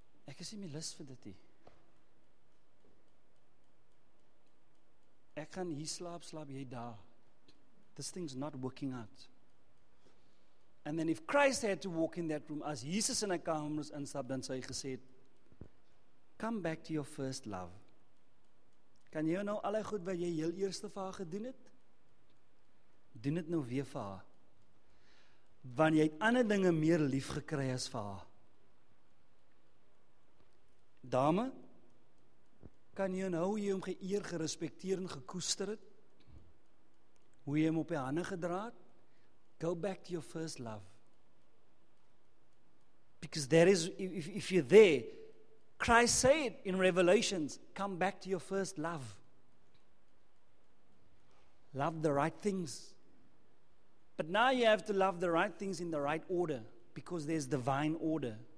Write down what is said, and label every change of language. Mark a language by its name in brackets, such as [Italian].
[Afrikaans] Ek is nie meer lus vir dit nie. Ek gaan hier slaap, slaap jy daar. [English] This thing's not working out. And then if Christ had to walk in that room, [Afrikaans] as Jesus in 'n kamer moes instap, dan sou hy gesê, [English] come back to your first love. [Afrikaans] Kan jy nou alle goed wat jy heel eerste vir haar gedoen het? Doen dit nou weer vir haar. Want jy het ander dinge meer lief gekry as vir haar. Dame, kan jy nou hoe jy hom geëer, gerespekteer en gekoester het? Hoe jy hom op jy hande gedra het? [English] Go back to your first love. Because there is, if you're there, Christ said in Revelations, come back to your first love. Love the right things. But now you have to love the right things in the right order, because there's divine order.